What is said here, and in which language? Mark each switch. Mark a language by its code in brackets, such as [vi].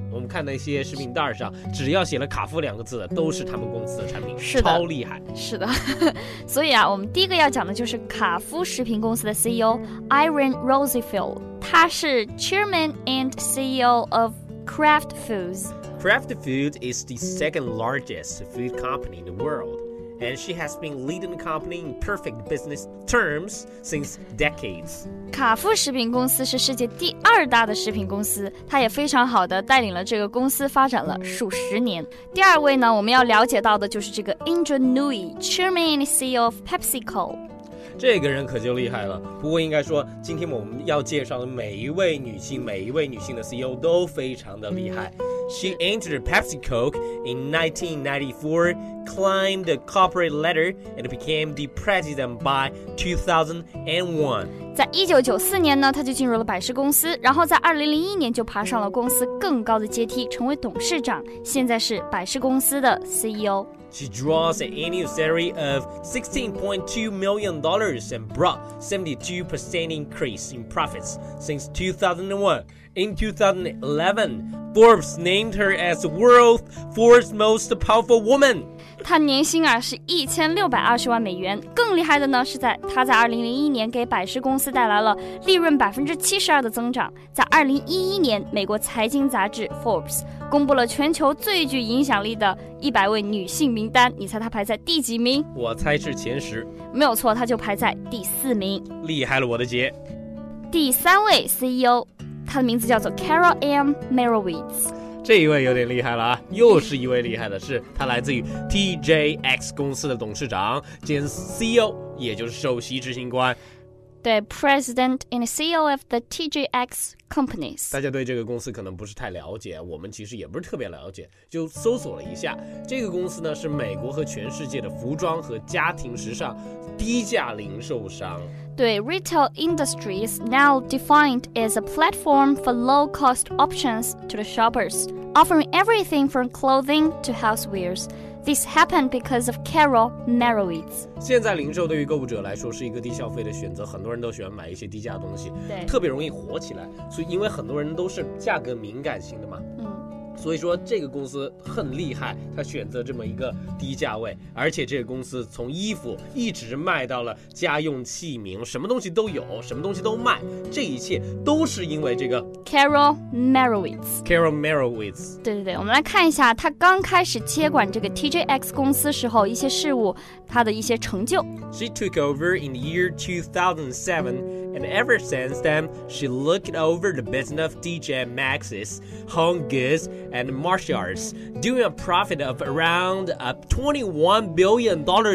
[zh] 我们看那些食品袋上只要写了卡夫两个字都是他们公司的产品。是的，超厉害。是的。所以啊，我们第一个要讲的就是卡夫食品公司的CEO Irene Rosenfeld， 他是 [en] Chairman and CEO of Kraft Foods. Kraft Foods is the second largest food company in the world, and she has been leading the company in perfect business terms since decades. [zh] 卡夫食品公司是世界第二大的食品公司，她也非常好的带领了这个公司发展了数十年。第二位呢，我们要了解到的就是这个 Indra Nooyi， [en] Chairman and CEO of PepsiCo。 [zh] 这个人可就厉害了，不过应该说今天我们要介绍的每一位女性，每一位女性的 CEO 都非常的厉害。 [en] She entered PepsiCo in 1994, climbed the corporate ladder and became the president by 2001. [zh] 在1994年呢，她就进入了百事公司，然后在2001年就爬上了公司更高的阶梯，成为董事长，现在是百事公司的 CEO。 [en] She draws an annual salary of $16.2 million and brought 72% increase in profits since 2001. In 2011, Forbes named her as the world's fourth most powerful woman. [zh] 她年薪啊是1620万美元。更厉害的呢，是在她在2001年给百事公司带来了利润72%的增长。在2011年，美国财经杂志 Forbes 公布了全球最具影响力的100位女性名单，你猜她排在第几名？我猜是前十。没有错，她就排在第四名。厉害了我的姐。第三位 CEO，她的名字叫做 Carol M. Merowitz。这一位有点厉害了啊，又是一位厉害的，是她来自于 TJX 公司的董事长兼 CEO， 也就是首席执行官。 [en] 对， President and CEO of the TJX Companies。 [zh] 大家对这个公司可能不是太了解，我们其实也不是特别了解，就搜索了一下这个公司呢，是美国和全世界的服装和家庭时尚低价零售商。 [en] 对， Retail Industry is now defined as a platform for low cost options to the shoppers, offering everything from clothing to housewares. This happened because of Carol Merowitz. [zh] 现在零售对于购物者来说是一个低消费的选择，很多人都喜欢买一些低价的东西，对，特别容易火起来。所以因为很多人都是价格敏感性的嘛。所以说这个公司很厉害，他选择这么一个低价位，而且这个公司从衣服一直卖到了家用器皿，什么东西都有，什么东西都卖，这一切都是因为这个 Carol Merowitz。 Carol Merowitz，对对对，我们来看一下他刚开始接管这个 TJX 公司时候一些事物，他的一些成就。 [en] She took over in the year 2007 and ever since then she looked over the business of TJ Maxx's, Home Goods and Marshalls, doing a profit of around $21 billion.